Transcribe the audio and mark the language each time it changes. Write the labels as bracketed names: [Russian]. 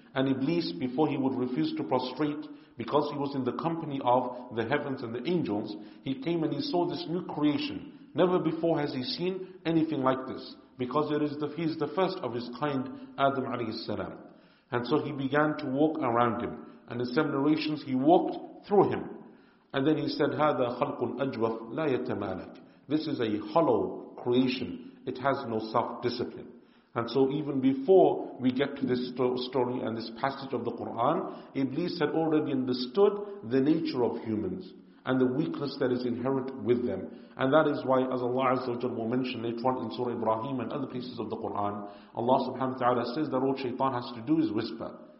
[English] And Iblis, before he would refuse to prostrate, because he was in the company of the heavens and the angels, he came and he saw this new creation. Never before has he seen anything like this, because he is the first of his kind, Adam alayhi salam. And so he began to walk around him, and in some narrations he walked through him. And then he said, [Arabic] هَذَا خَلْقٌ أَجْوَفْ لَا يَتَمَالَكْ. [English] This is a hollow creation, it has no self-discipline. And so even before we get to this story and this passage of the Qur'an, Iblis had already understood the nature of humans and the weakness that is inherent with them. And that is why, as Allah Azza wa Jalla will mention later on in Surah Ibrahim and other places of the Qur'an, Allah subhanahu wa ta'ala says that all shaitan has to do is whisper.